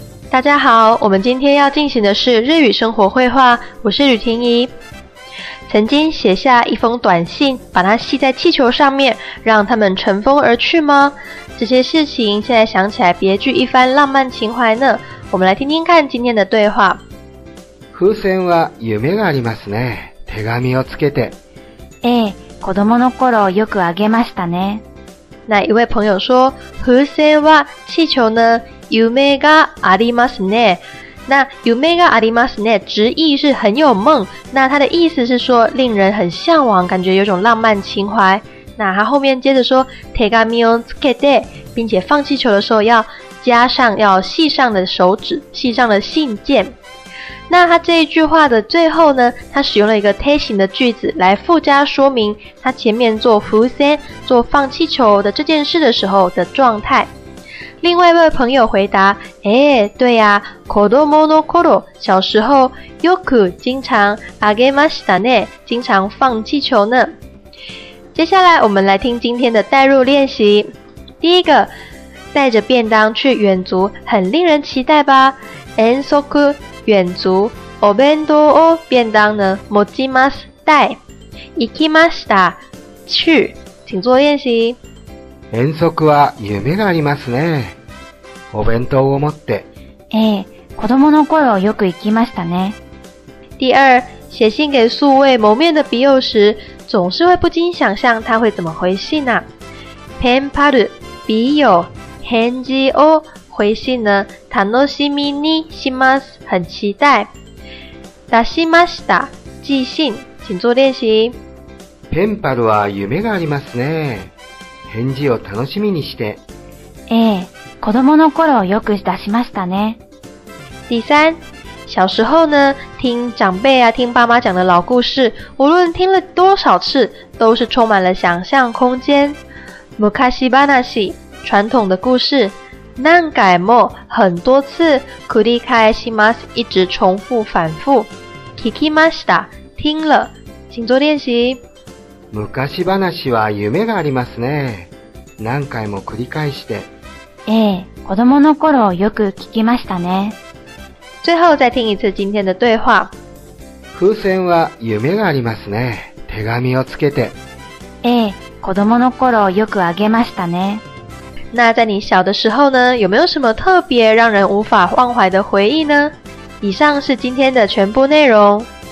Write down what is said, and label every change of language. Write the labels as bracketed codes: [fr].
[zh] 大家好，我们今天要进行的是日语生活绘画，我是吕婷宜。曾经写下一封短信，把它系在气球上面，让它们乘风而去吗？这些事情现在想起来，别具一番浪漫情怀呢。我们来听听看今天的对话。 [ja] 風船は夢がありますね。手紙をつけて。ええ、子供の頃よくあげましたね。 [zh] 那一位朋友说，風船は气球呢？ [ja] 夢がありますね。 [zh] 那 [ja] 夢がありますね， [zh] 直译是很有梦。那它的意思是说令人很向往，感觉有种浪漫情怀。那它后面接着说 [ja] 手紙をつけて， [zh] 并且放气球的时候要加上，要系上的手指，系上的信件。那它这一句话的最后呢，它使用了一个贴形的句子来附加说明它前面做風船，做放气球的这件事的时候的状态。另外一位朋友回答，欸，对呀，子どもの頃，小时候，よく经常あげましたね，经常放气球呢。接下来我们来听今天的代入练习。第一个，带着便当去远足，很令人期待吧？遠足，远足，お弁当を，便当呢，持ちます，带。行きました，去，请做练习。 [ja] 遠足は夢がありますね。お弁当を持って。ええ、子供の頃よく行きましたね。 [zh] 第二、写信给素未谋面的笔友时、总是会不禁想象他会怎么回信呢、啊。ペンパル、笔友、返事を、回信呢、楽しみにします、很期待。出しました、寄信、请做练习。 [ja] ペンパルは夢がありますね。返事を楽しみにして。ええ、子供の頃よく出しましたね。 [zh] 第三、小时候呢、听长辈啊、听爸妈讲的老故事、无论听了多少次、都是充满了想象空间。昔話、传统的故事、何回も、很多次、繰り返します、一直重复反复。聞きました、听了、请做练习。 [ja] 昔話は夢がありますね。何回も繰り返して。ええ、子供の頃よく聞きましたね。 [zh] 最後再听一次今天的对话。 [ja] 風船は夢がありますね。手紙をつけて。ええ、子供の頃よくあげましたね。 [zh] 那在你小的时候呢、有没有什么特别让人无法忘怀的回忆呢？以上是今天的全部内容。